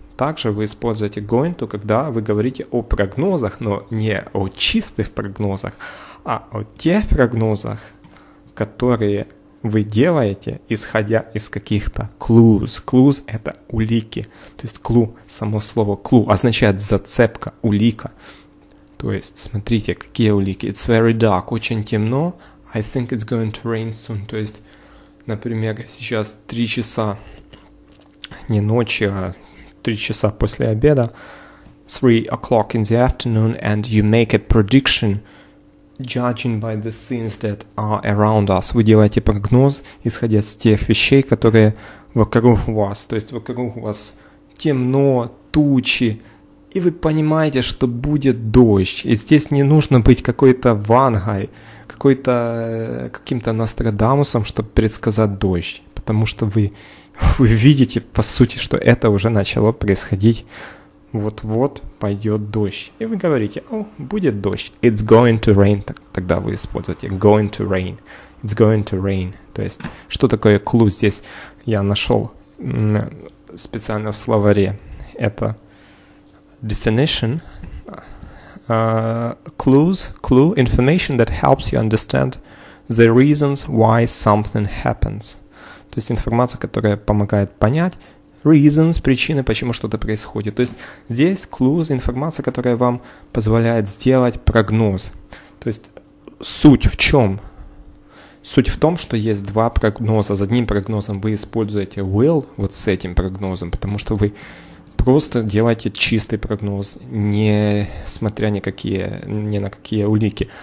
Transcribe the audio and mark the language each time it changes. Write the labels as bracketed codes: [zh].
[ru] Также вы используете going to, когда вы говорите о прогнозах, но не о чистых прогнозах, а о тех прогнозах, которые вы делаете, исходя из каких-то clues. Clues – это улики. То есть clue, само слово clue, означает зацепка, улика. То есть смотрите, какие улики. [en] It's very dark, [ru] очень темно. [en] I think it's going to rain soon. [ru] То есть, например, сейчас 3 часа. Не ночи, а 3 часа после обеда. [en] 3 o'clock in the afternoon and you make a prediction. judging by the things that are around us. [ru] Вы делаете прогноз, исходя из тех вещей, которые вокруг вас. То есть вокруг вас темно, тучи, и вы понимаете, что будет дождь. И здесь не нужно быть какой-то вангой, какой-то каким-то Нострадамусом, чтобы предсказать дождь. Потому что вы видите, по сути, что это уже начало происходить. Вот-вот пойдет дождь. И вы говорите, о, будет дождь. [en] It's going to rain. [ru] Тогда вы используете going to rain. [en] It's going to rain. [ru] То есть, что такое clue? Здесь я нашел специально в словаре. Это definition. [en] Clues, clue, information that helps you understand the reasons why something happens. [ru] То есть, информация, которая помогает понять, reasons, причины, почему что-то происходит. То есть здесь clues, информация, которая вам позволяет сделать прогноз. То есть суть в чем? Суть в том, что есть два прогноза. За одним прогнозом вы используете will, вот с этим прогнозом, потому что вы просто делаете чистый прогноз, не смотря никакие, ни на какие улики.